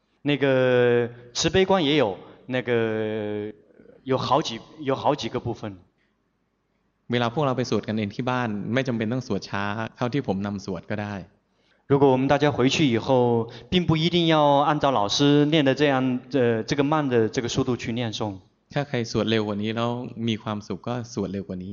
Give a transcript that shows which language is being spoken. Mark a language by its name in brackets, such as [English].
[Chinese] 那个慈悲观也有那个有好几个部分 [Thai] เวลาพวกเราไปสวดกันเองที่บ้านไม่จำเป็นต้องสวดช้าเท่าที่ผมนำสวดก็ได้ [Chinese] 如果我们大家回去以后并不一定要按照老师念的这样这个慢的这个速度去念诵 [Thai] ถ้าใครสวดเร็วกว่านี้แล้วมีความสุขก็สวดเร็วกว่านี